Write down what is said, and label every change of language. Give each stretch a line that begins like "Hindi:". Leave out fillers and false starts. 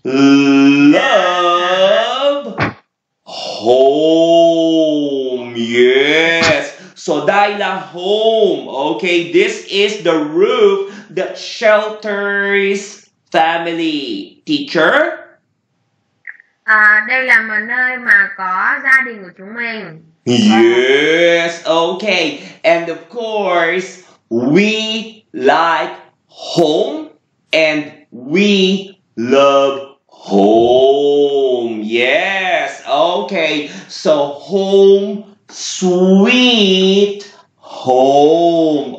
English: love home. Yes. So Daila home, okay, this is the roof that shelters family. Teacher?
Vietnamese: Đây là một nơi mà có gia đình của chúng mình.
English: Yes, okay. And of course, we like home and we love home. Yes, okay. So home, sweet home.